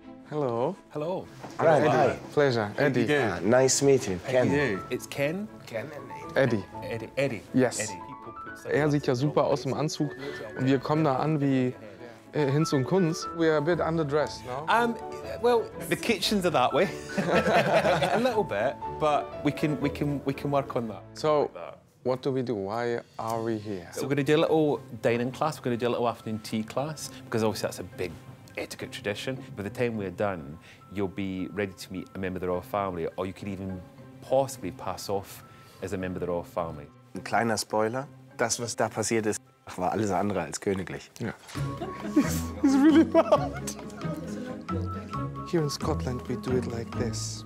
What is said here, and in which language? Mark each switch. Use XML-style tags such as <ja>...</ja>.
<en>Hello. Hello. Hi. Hi. Pleasure. Eddie. Nice meeting. Ken. It's Ken. Ken. Eddie. Yes. Eddie.</en> <de>Er sieht ja super aus im Anzug und wir kommen da an wie Hinz und Kunz.</de> <en>We are a bit underdressed, no? Well, the kitchens are that way. A little bit, but we can work on that. So, what do we do? Why are we here? So we're going to do a little dining class. We're going to do a little afternoon tea class because obviously that's a big etiquette tradition. By the time we're done, you'll be ready to meet a member of the royal family, or you could even possibly pass off as a member of the royal family.</en> <de>Ein kleiner Spoiler: Das, was da passiert ist, war alles andere als königlich.</de> <en>Yeah. He's really bad. Here in Scotland, we do it like this.</en>